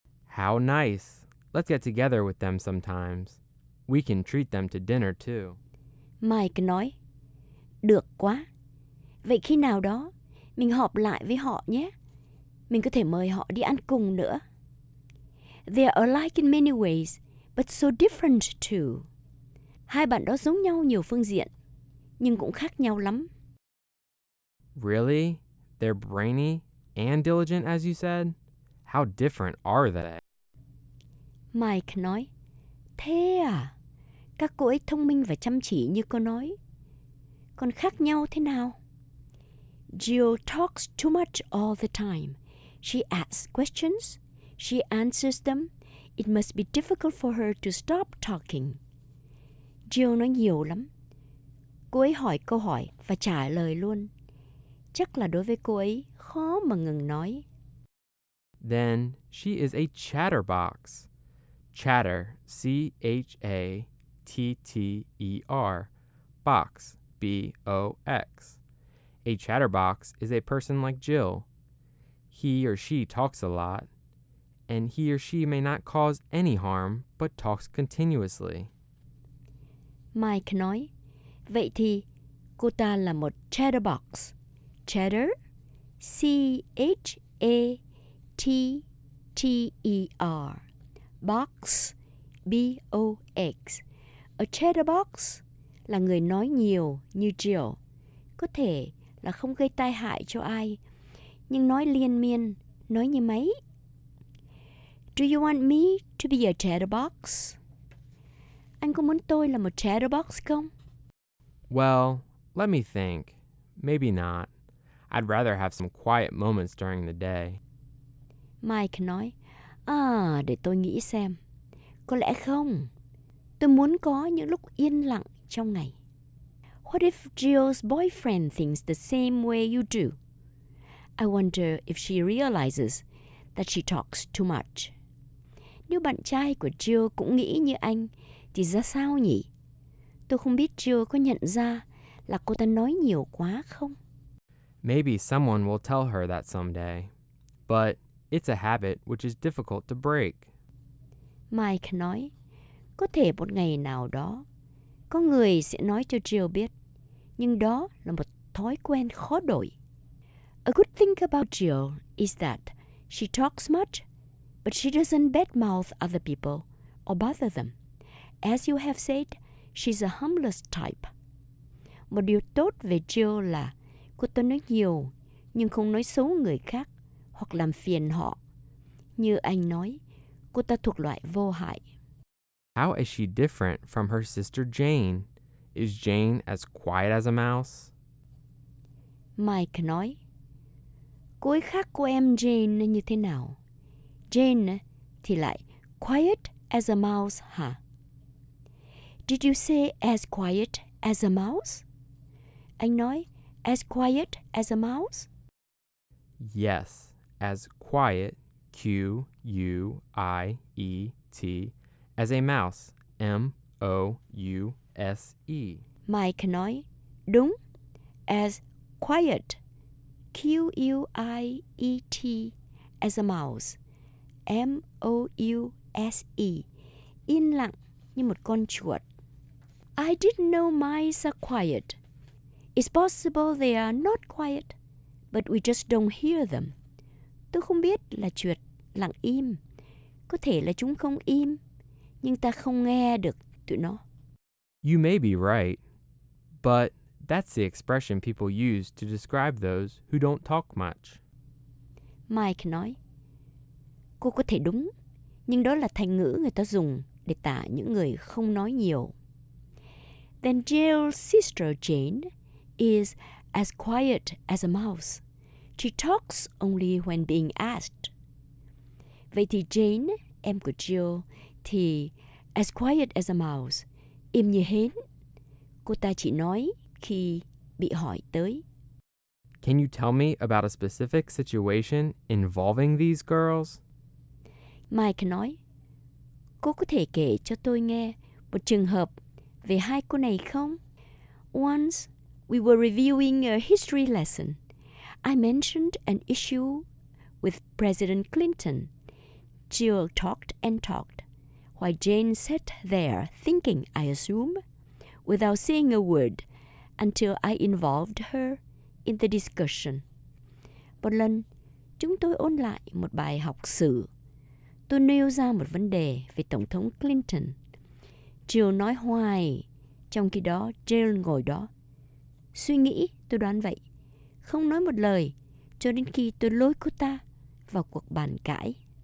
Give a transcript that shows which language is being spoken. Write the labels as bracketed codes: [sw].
[en] How nice. Let's get together with them sometimes. We can treat them to dinner too. [vi] Mike nói, được quá. Vậy khi nào đó, mình họp lại với họ nhé. Mình có thể mời họ đi ăn cùng nữa. [en] They are alike in many ways, but so different too. [vi] Hai bạn đó giống nhau nhiều phương diện, nhưng cũng khác nhau lắm. [en] Really? They're brainy and diligent, as you said? How different are they? [vi] Mike nói, thế à? Các cô ấy thông minh và chăm chỉ như cô nói. Còn khác nhau thế nào? [en] Jill talks too much all the time. She asks questions. She answers them. It must be difficult for her to stop talking. [vi] Jill nói nhiều lắm. Cô ấy hỏi câu hỏi và trả lời luôn. Chắc là đối với cô ấy khó mà ngừng nói. [en] Then she is a chatterbox. Chatter, C-H-A-T-T-E-R, box, B-O-X. A chatterbox is a person like Jill. He or she talks a lot, and he or she may not cause any harm, but talks continuously. [vi] Mike nói, vậy thì cô ta là một chatterbox. [en] Chatter, C-H-A-T-T-E-R, box, B-O-X. [vi] A chatterbox là người nói nhiều như Jill. Có thể là không gây tai hại cho ai, nhưng nói liên miên, nói như máy. [en] Do you want me to be a chatterbox? [vi] Anh có muốn tôi là một chatterbox không? [en] Well, let me think. Maybe not. I'd rather have some quiet moments during the day. [vi] Mike nói, à, để tôi nghĩ xem. Có lẽ không. Tôi muốn có những lúc yên lặng trong ngày. [en] What if Jill's boyfriend thinks the same way you do? I wonder if she realizes that she talks too much. [vi] Nếu bạn trai của Jill cũng nghĩ như anh, thì ra sao nhỉ? Tôi không biết Jill có nhận ra là cô ta nói nhiều quá không? [en] Maybe someone will tell her that someday. But it's a habit which is difficult to break. [vi] Mike nói, có thể một ngày nào đó, có người sẽ nói cho Jill biết, nhưng đó là một thói quen khó đổi. [en] A good thing about Jill is that she talks much, but she doesn't badmouth other people or bother them. As you have said, she's a humblest type. [vi] Một điều tốt về Jill là cô ta nói nhiều, nhưng không nói xấu người khác hoặc làm phiền họ. Như anh nói, cô ta thuộc loại vô hại. [en] How is she different from her sister Jane? Is Jane as quiet as a mouse? [vi] Mike nói, cô ấy khác cô em Jane như thế nào? Jane thì lại [en] quiet as a mouse, [vi] hả? Huh? [en] Did you say as quiet as a mouse? [vi] Anh nói, [en] as quiet as a mouse? Yes, as quiet, Q-U-I-E-T, as a mouse, M-O-U-S-E. [vi] Mike nói, đúng, [en] as quiet, Q-U-I-E-T, as a mouse, M-O-U-S-E, [vi] yên lặng như một con chuột. [en] I didn't know mice are quiet. It's possible they are not quiet, but we just don't hear them. [vi] Tôi không biết là chuột lặng im. Có thể là chúng không im, nhưng ta không nghe được tụi nó. [en] You may be right, but that's the expression people use to describe those who don't talk much. [vi] Mike nói, cô có thể đúng, nhưng đó là thành ngữ người ta dùng để tả những người không nói nhiều. [en] Then Jill's sister Jane is as quiet as a mouse. She talks only when being asked. [vi] Vậy thì Jane, em của Jill, thì [en] as quiet as a mouse, [vi] im như hến. Cô ta chỉ nói khi bị hỏi tới. [en] Can you tell me about a specific situation involving these girls? [vi] Mike nói, cô có thể kể cho tôi nghe một trường hợp về hai cô này không? [en] Once we were reviewing a history lesson, I mentioned an issue with President Clinton. Jill talked and talked, while Jane sat there thinking, I assume, without saying a word, until I involved her in the discussion. [vi] Một lần, chúng tôi ôn lại một bài học sử. Tôi nêu ra một vấn đề về Tổng thống Clinton. Jill nói hoài, trong khi đó Jill ngồi đó. Suy nghĩ, tôi đoán vậy. Không nói một lời, cho đến khi tôi lôi cô ta vào cuộc bàn cãi.